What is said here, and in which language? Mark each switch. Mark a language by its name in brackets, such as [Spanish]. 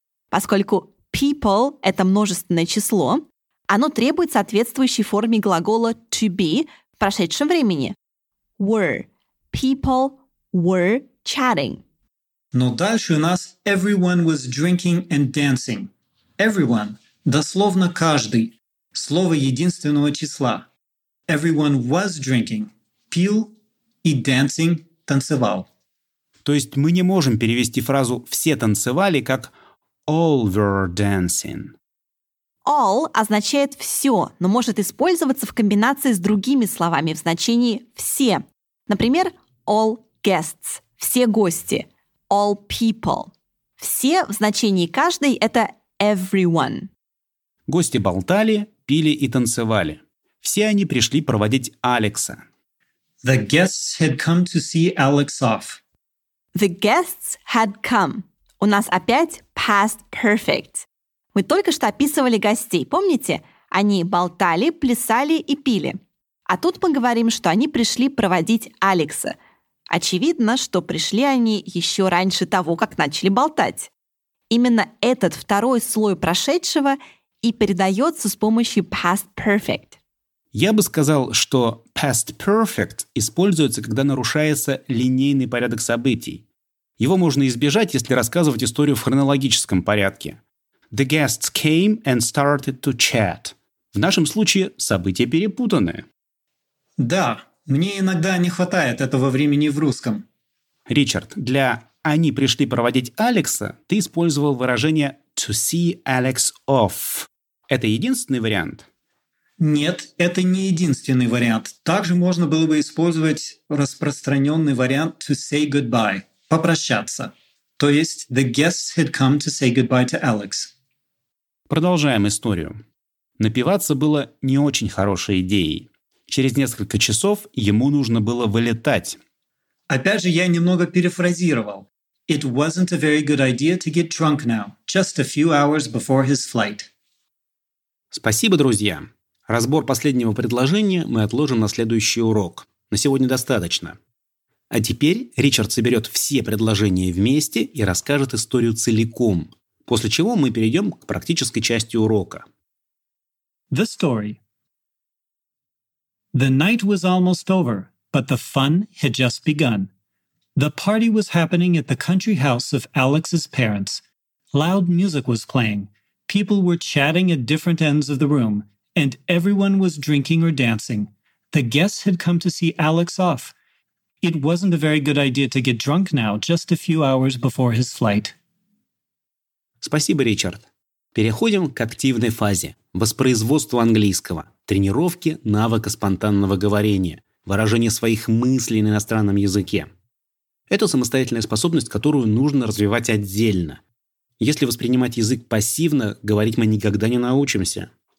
[Russian] Поскольку people – это множественное число, оно требует соответствующей форме глагола to be в прошедшем времени. [English] Were. People were chatting. [Russian] Но дальше у нас [English] everyone was drinking and dancing. [Russian] Everyone. Дословно каждый. Слово единственного числа. [English] Everyone was drinking. [Russian] Пил и dancing. Танцевал. То есть мы не можем перевести фразу «все танцевали» как [English] all were dancing. [Russian] All означает «все», но может использоваться в комбинации с другими словами в значении «все». Например, [English] all guests [Russian] – все гости, [English] all people. [Russian] Все в значении «каждый» – это everyone. Гости болтали, пили и танцевали. Все они пришли проводить Алекса. [English] The guests had come to see Alex off. The guests had come. [Russian] У нас опять past perfect. Мы только что описывали гостей, помните? Они болтали, плясали и пили. А тут мы говорим, что они пришли проводить Алекса. Очевидно, что пришли они еще раньше того, как начали болтать. Именно этот второй слой прошедшего и передается с помощью past perfect. Я бы сказал, что past perfect используется, когда нарушается линейный порядок событий. Его можно избежать, если рассказывать историю в хронологическом порядке. [English] The guests came and started to chat. [Russian] В нашем случае события перепутаны. Да, мне иногда не хватает этого времени в русском. Ричард, для «они пришли проводить Алекса» ты использовал выражение [English] «to see Alex off». [Russian] Это единственный вариант? Нет, это не единственный вариант. Также можно было бы использовать распространенный вариант [English] «to say goodbye» [Russian] – «попрощаться». То есть [English] «the guests had come to say goodbye to Alex». [Russian] Продолжаем историю. Напиваться было не очень хорошей идеей. Через несколько часов ему нужно было вылетать. Опять же, я немного перефразировал. [English] It wasn't a very good idea to get drunk now, just a few hours before his flight. [Russian] Спасибо, друзья. Разбор последнего предложения мы отложим на следующий урок. На сегодня достаточно. А теперь Ричард соберет все предложения вместе и расскажет историю целиком, после чего мы перейдем к практической части урока. [English] The story. The night was almost over, but the fun had just begun. The party was happening at the country house of Alex's parents. Loud music was playing, people were chatting at different ends of the room, and everyone was drinking or dancing. The guests had come to see Alex off. It wasn't a very good idea to get drunk now, just a few hours before his flight. [Russian] Спасибо, Ричард. Переходим к активной фазе. Воспроизводство английского, тренировки навыка спонтанного говорения, выражение своих мыслей на иностранном языке. Это самостоятельная способность, которую нужно развивать отдельно. Если воспринимать язык пассивно, говорить мы никогда не научимся.